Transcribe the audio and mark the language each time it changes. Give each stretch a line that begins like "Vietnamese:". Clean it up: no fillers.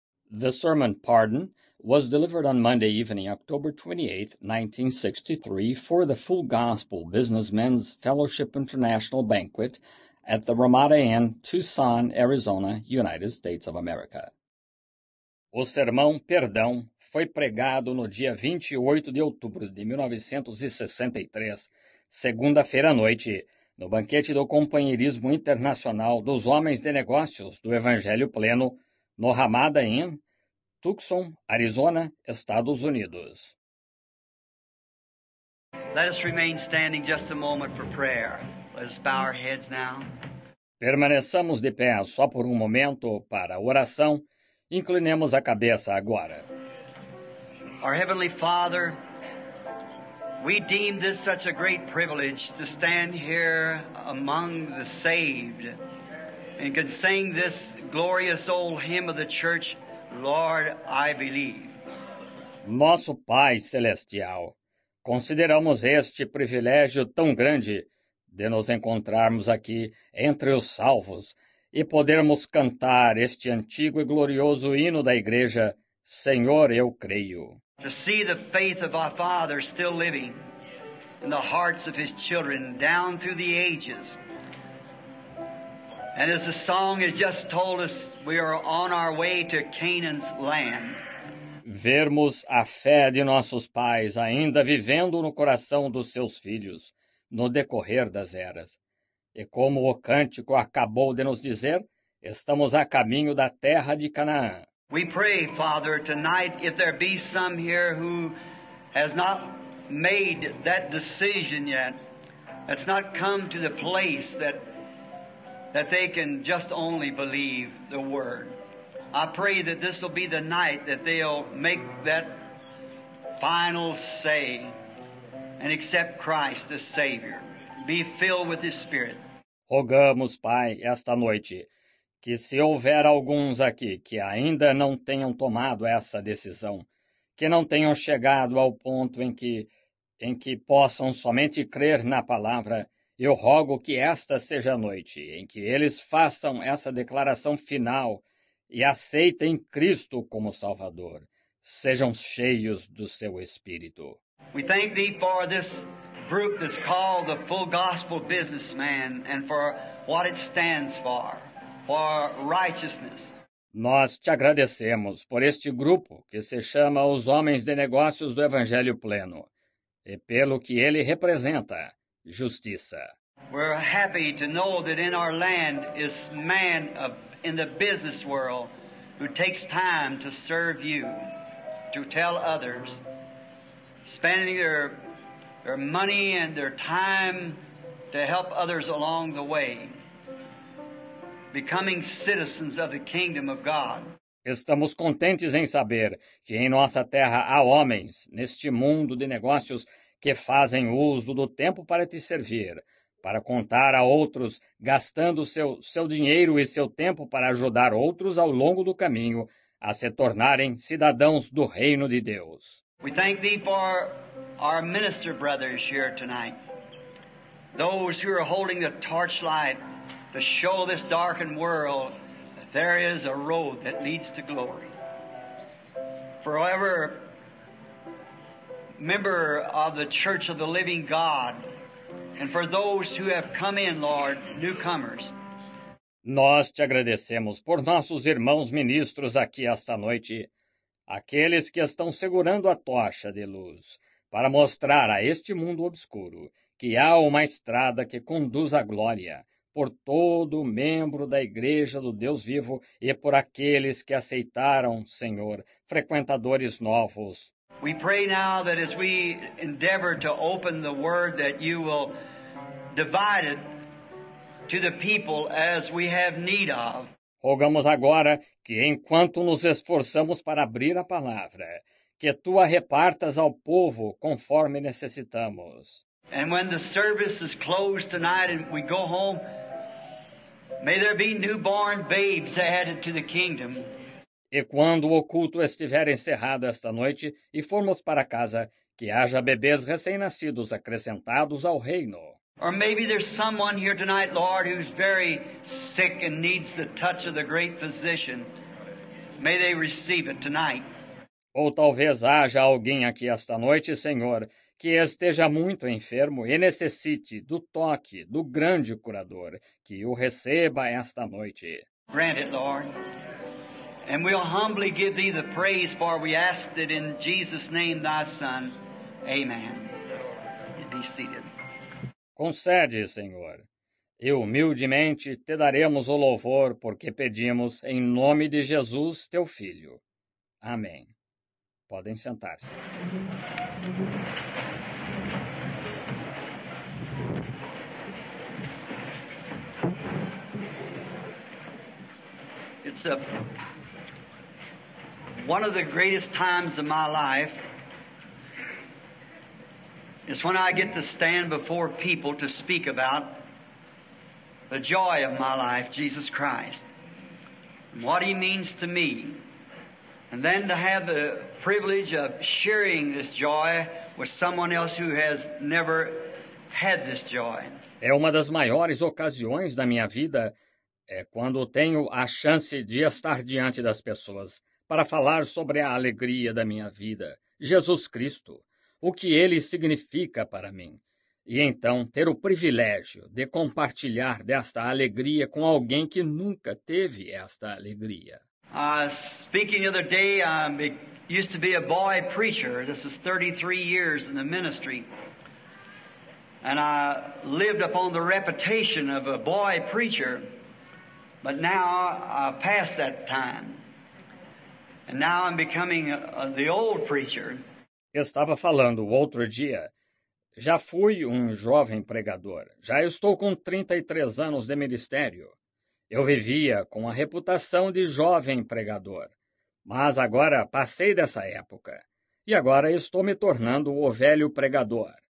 English: The sermon, Pardon, was delivered on Monday evening, October 28, 1963, for the Full Gospel Businessmen's Fellowship International Banquet at the Ramada Inn, Tucson, Arizona, United States of America.
Portuguese: O sermão, Perdão, foi pregado no dia 28 de outubro de 1963, segunda-feira à noite, no banquete do Companheirismo Internacional dos Homens de Negócios do Evangelho Pleno, no Ramada Inn, Tucson, Arizona, Estados Unidos.
English: Let us remain standing just a moment for prayer. Let us bow our heads now.
Portuguese: Permaneçamos de pé só por um momento para a oração. Inclinemos a cabeça agora.
English: Our Heavenly Father, we deem this such a great privilege to stand here among the saved and can sing this glorious old hymn of the church, Lord, I Believe.
Portuguese: Nosso Pai Celestial, consideramos este privilégio tão grande de nos encontrarmos aqui entre os salvos e podermos cantar este antigo e glorioso hino da Igreja, Senhor, eu creio.
English: To see the faith of our Father still living in the hearts of His children down through the ages. And as the song has just told us, we are on our way to Canaan's land.
Portuguese: Vermos a fé de nossos pais ainda vivendo no coração dos seus filhos, no decorrer das eras. E como o cântico acabou de nos dizer, estamos a caminho da terra de Canaã.
English: We pray, Father, tonight, if there be some here who has not made that decision yet, that's not come to the place that they can just only believe the Word. I pray that this will be the night that they'll make that final say and accept Christ as Savior. Be filled with His Spirit.
Portuguese: Rogamos, Pai, esta noite, que se houver alguns aqui que ainda não tenham tomado essa decisão, que não tenham chegado ao ponto em que possam somente crer na palavra, eu rogo que esta seja a noite em que eles façam essa declaração final e aceitem Cristo como Salvador. Sejam cheios do seu Espírito.
English: We thank Thee for this group that's called the Full Gospel Businessman and for what it stands for. For righteousness.
Portuguese: Nós te agradecemos por este grupo que se chama os Homens de Negócios do Evangelho Pleno e pelo que ele representa, justiça.
English: We're happy to know that in our land is man of, in the business world who takes time to serve you, to tell others, spending their money and their time to help others along the way. Becoming citizens of the kingdom of God.
Portuguese: Estamos contentes em saber que em nossa terra há homens, neste mundo de negócios, que fazem uso do tempo para te servir, para contar a outros, gastando seu dinheiro e seu tempo para ajudar outros ao longo do caminho a se tornarem cidadãos do reino de Deus.
English: We thank Thee for our minister brothers here tonight, those who are holding the torchlight to show this darkened world that there is a road that leads to glory. For every member of the Church of the Living God, and for those who have come in, Lord, newcomers.
Portuguese: Nós te agradecemos por nossos irmãos ministros aqui esta noite, aqueles que estão segurando a tocha de luz para mostrar a este mundo obscuro que há uma estrada que conduz à glória. Por todo membro da Igreja do Deus Vivo e por aqueles que aceitaram, Senhor, frequentadores novos.
English: We pray now that as we endeavor to open the Word, that you will divide it to the people as we have need of.
Portuguese: Rogamos agora que, enquanto nos esforçamos para abrir a palavra, que tu a repartas ao povo conforme necessitamos.
English: And when the service is closed tonight and we go home, may there be newborn babes added to the kingdom.
Portuguese: E quando o culto estiver encerrado esta noite e formos para casa, que haja bebês recém-nascidos acrescentados ao reino.
English: Or maybe there's someone here tonight, Lord, who's very sick and needs the touch of the great physician. May they receive it tonight.
Portuguese: Ou talvez haja alguém aqui esta noite, Senhor, que esteja muito enfermo e necessite do toque do grande curador, que o receba esta noite.
English: Grant it, Lord. And we'll humbly give thee the praise, for we ask it in Jesus' name, thy Son. Amen. And be seated.
Portuguese: Concede, Senhor, e humildemente te daremos o louvor, porque pedimos em nome de Jesus, teu Filho. Amém. Podem sentar-se.
English: It's a one of the greatest times of my life is when I get to stand before people to speak about the joy of my life, Jesus Christ, and what He means to me. And then to have the privilege of sharing this joy with someone else who has never had this joy.
Portuguese: É uma das maiores ocasiões da minha vida é quando tenho a chance de estar diante das pessoas para falar sobre a alegria da minha vida, Jesus Cristo, o que Ele significa para mim. E então ter o privilégio de compartilhar desta alegria com alguém que nunca teve esta alegria.
English: Speaking the other day, used to be a boy preacher. This is 33 years in the ministry. And I lived upon the reputation of a boy preacher. But now I passed that time. And now I'm becoming the old preacher.
Portuguese: Eu estava falando o outro dia. Já fui um jovem pregador. Já estou com 33 anos de ministério. Eu vivia com a reputação de jovem pregador, mas agora passei dessa época e agora estou me tornando o velho pregador.